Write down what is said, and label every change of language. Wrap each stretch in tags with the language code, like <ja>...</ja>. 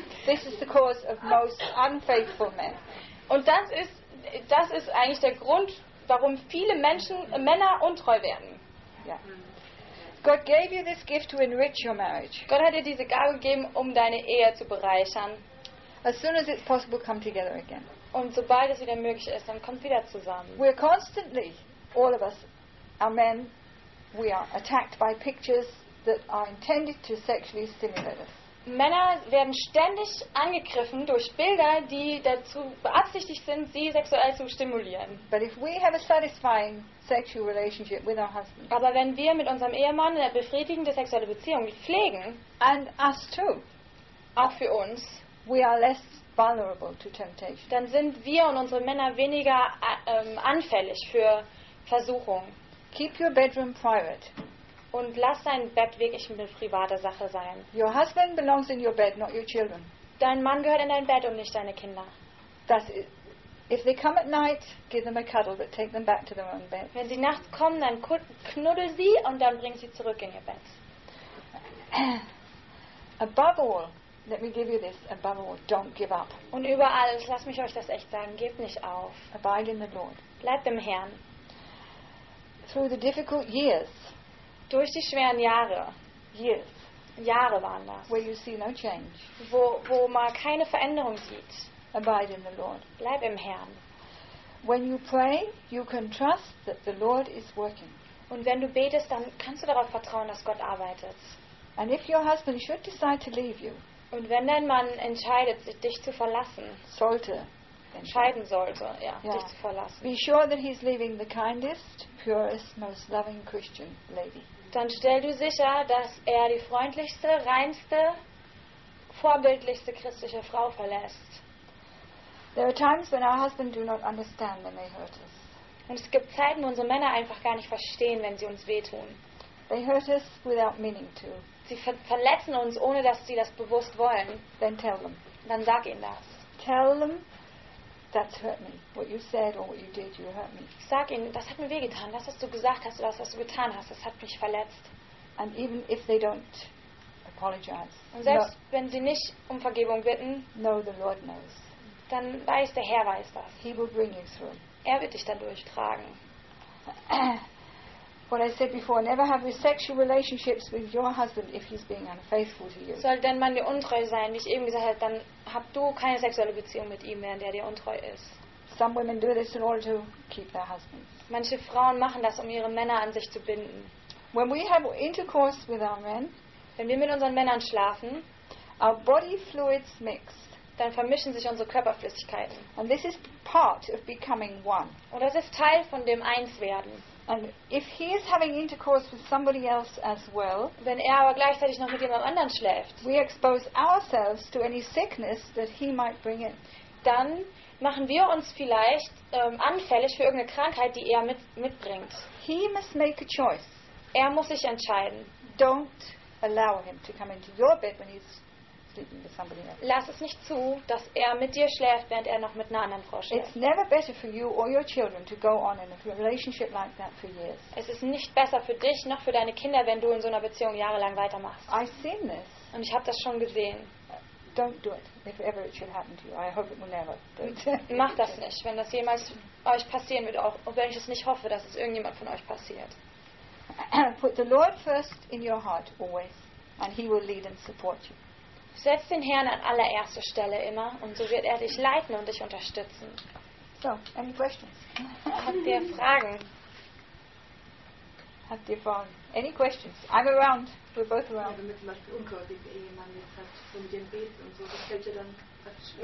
<en>This is the cause of most unfaithful men.</en> <de>Und das ist eigentlich der Grund, warum viele Menschen, Männer untreu werden.</de> <en>Yeah. God gave you this gift to enrich your marriage.</en> <de>Gott hat dir diese Gabe gegeben, um deine Ehe zu bereichern.</de> <en>As soon as it's possible, come together again.</en> <de>Und sobald es wieder möglich ist, dann kommt wieder zusammen.</de> <en>We're constantly, all of us, our men, we are attacked by pictures that are intended to sexually stimulate us.</en> <de>Männer werden ständig angegriffen durch Bilder, die dazu beabsichtigt sind, sie sexuell zu stimulieren.</de> <en>But if we have a satisfying sexual relationship with our husband,</en> <de>aber wenn wir mit unserem Ehemann eine befriedigende sexuelle Beziehung pflegen,</de> <en>and us too,</en> <de>auch für uns,</de> <en>we are less vulnerable to temptation.</en> <de>Dann sind wir und unsere Männer weniger anfällig für Versuchung.</de> <en>Keep your bedroom private.</en> <de>Und lass dein Bett wirklich eine private Sache sein.</de> <en>Your husband belongs in your bed, not your children.</en> <de>Dein Mann gehört in dein Bett und nicht deine Kinder.</de> <en>If they come at night, give them a cuddle, but take them back to their own bed.</en> <de>Wenn sie nachts kommen, dann knuddel sie und dann bring sie zurück in ihr Bett.</de> <en>Above all, let me give you this, above all, don't give up.</en> <de>Und über alles, lass mich euch das echt sagen, gebt nicht auf.</de> <en>Abide in the Lord.</en> <de>Bleibt im Herrn.</de> <en>Through the difficult years.</en> <de>Durch die schweren Jahre.</de> <en>Years.</en> <de>Jahre waren das.</de> <en>Where you see no change.</en> <de>Wo man keine Veränderung sieht.</de> <en>Abide in the Lord.</en> <de>Bleib im Herrn.</de> <en>When you pray, you can trust that the Lord is working.</en> <de>Und wenn du betest, dann kannst du darauf vertrauen, dass Gott arbeitet.</de> <en>And if your husband should decide to leave you.</en> <de>Und wenn dein Mann entscheidet, dich zu verlassen. Sollte. Entscheiden sollte, ja, yeah. Dich zu verlassen.</de> <en>Be sure that he's leaving the kindest, purest, most loving Christian lady.</en> <de>Dann stell du sicher, dass die freundlichste, reinste, vorbildlichste christliche Frau verlässt.</de> <en>There are times when our husbands do not understand when they hurt us.</en> <de>Und es gibt Zeiten, wo unsere Männer einfach gar nicht verstehen, wenn sie uns wehtun.</de> <en>They hurt us without meaning to.</en> <de>Sie verletzen uns, ohne dass sie das bewusst wollen.</de> <en>Then tell them.</en> <de>Dann sag ihnen das.</de> <en>Tell them. That's hurt me. What you said or what you did, you hurt me.</en> <de>Sag ihnen, das hat mir wehgetan. Das, was du gesagt hast oder das, was du getan hast, das hat mich verletzt.</de> <en>And even if they don't apologize.</en> <de>Und selbst wenn sie nicht um Vergebung bitten.</de> <en>No, the Lord knows.</en> <de>Dann weiß der Herr weiß das.</de> <en>He will bring you through.</en> <de>Er wird dich dann durchtragen.</de> <en>What I said before, never have sexual relationships with your husband if he's being unfaithful to you.</en> <de>Soll dein Mann dir untreu sein, wie ich eben gesagt habe, dann hab du keine sexuelle Beziehung mit ihm, wenn der dir untreu ist.</de> <en>Some women do this in order to keep their husbands.</en> <de>Manche Frauen machen das, um ihre Männer an sich zu binden.</de> <en>When we have intercourse with our men,</en> <de>wenn wir mit unseren Männern schlafen,</de> <en>our body fluids mix.</en> <de>Dann vermischen sich unsere Körperflüssigkeiten.</de> <en>And this is part of becoming one.</en> <de>Und das ist Teil von dem Einswerden.</de> <en>And if he is having intercourse with somebody else as well,</en> <de>wenn aber gleichzeitig noch mit jemand anderem schläft,</de> <en>we expose ourselves to any sickness that he might bring in.</en> <de>Dann machen wir uns vielleicht anfällig für irgendeine Krankheit, die mitbringt.</de> <en>He must make a choice.</en> <de>Muss sich entscheiden.</de> <en>Don't allow him to come into your bed when he's sleeping with somebody else.</en> <de>Lass es nicht zu, dass mit dir schläft, während noch mit einer anderen Frau schläft.</de> <en>It's never better for you or your children to go on in a relationship like that for years.</en> <de>Es ist nicht besser für dich noch für deine Kinder, wenn du in so einer Beziehung jahrelang weitermachst.</de> <en>I've seen this.</en> <de>Und ich habe das schon gesehen.</de> <en>Don't do it if ever it should happen to you. I hope it will never.</en> <de>Mach das nicht, wenn das jemals euch passieren wird, auch wenn ich es nicht hoffe, dass es irgendjemand von euch passiert.</de> <en>Put the Lord first in your heart always, and he will lead and support you.</en> <de>Setz den Herrn an allererste Stelle immer und so wird dich leiten und dich unterstützen.</de> <en>So, any questions?</en> <de>Habt ihr Fragen? Habt ihr Fragen?</de> <en>Any questions? I'm around. We're both around.</en> <de>Wenn du zum Beispiel unkörperliche Ehemann jetzt hast, so mit dem Beten und so, das fällt ja dann praktisch weg,</de>